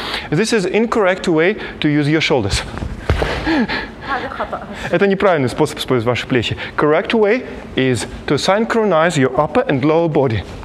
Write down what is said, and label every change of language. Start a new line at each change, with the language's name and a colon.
English: This is incorrect way to use your shoulders.
Russian: Это неправильный способ использовать ваши плечи.
English: Correct way is to synchronize your upper and lower body.